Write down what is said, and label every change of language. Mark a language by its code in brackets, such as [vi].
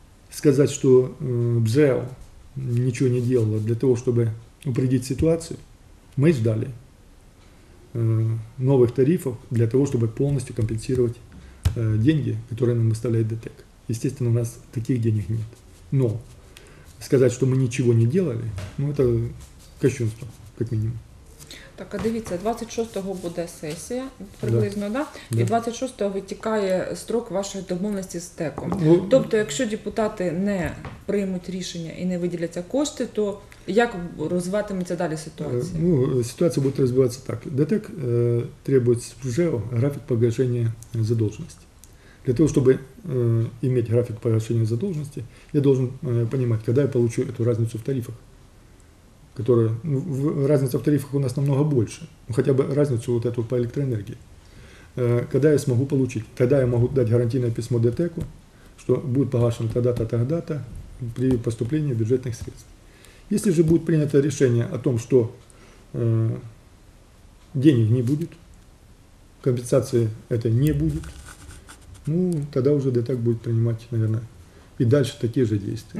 [ru] Сказать, что БЗЭО ничего не делало для того, чтобы упредить ситуацию, мы ждали новых тарифов для того, чтобы полностью компенсировать деньги, которые нам выставляет ДТЭК. Естественно, у нас таких денег нет. Но сказать, что мы ничего не делали, ну это кощунство, как минимум. [uk] Так, а дивіться, 26-го буде сесія, приблизно, да. Да? І 26-го витікає строк вашої домовленості з ТЕКом. Ну, тобто, якщо депутати не приймуть рішення і не виділяться кошти, то як розвиватиметься далі ситуація? Ну, ситуація буде розвиватися так. ДТЕК требує вже графік погашення задовженості. Для того, щоб мати графік погашення задовженості, я должен розуміти, коли я получу цю різницю в тарифах. [ru] Которая, ну, разница в тарифах у нас намного больше, ну, хотя бы разницу вот эту по электроэнергии. Когда я смогу получить, тогда я могу дать гарантийное письмо ДТЭКу, что будет погашено тогда-то, тогда-то при поступлении бюджетных средств. Если же будет принято решение о том, что денег не будет, компенсации это не будет, ну тогда уже ДТЭК будет принимать, наверное, и дальше такие же действия.